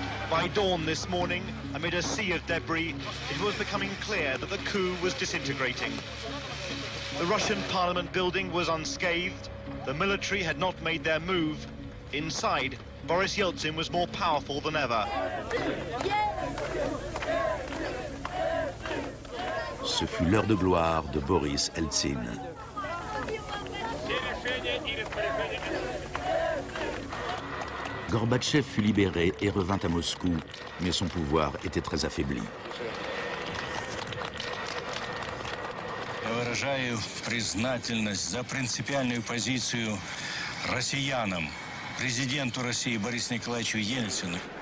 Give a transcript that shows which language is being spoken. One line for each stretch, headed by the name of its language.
English: By dawn this morning, amid a sea of debris, it was becoming clear that the coup was disintegrating. The Russian parliament building was unscathed. The military had not made their move. Inside, Boris Yeltsin was more powerful than ever.
French: Ce fut l'heure de gloire de Boris Yeltsin. Gorbatchev fut libéré et revint à Moscou, mais son pouvoir était très affaibli.
Russian: Я выражаю признательность за принципиальную позицию россиянам, президенту России Борису Николаевичу Ельцину.